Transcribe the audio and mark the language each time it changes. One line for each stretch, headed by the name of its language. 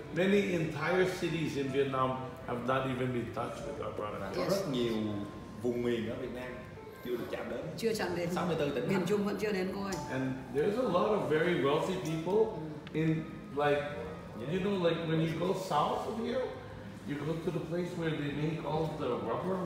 English: Many entire cities in Vietnam have not even been touched with our product.
Vietnamese: Có rất nhiều vùng miền ở Việt Nam chưa được chạm đến. Chưa chạm đến. 64 tỉnh miền Trung vẫn chưa đến cô ơi.
English: And there's a lot of very wealthy people in like, you know, like when you go south of here, you go to the place where they make all the rubber.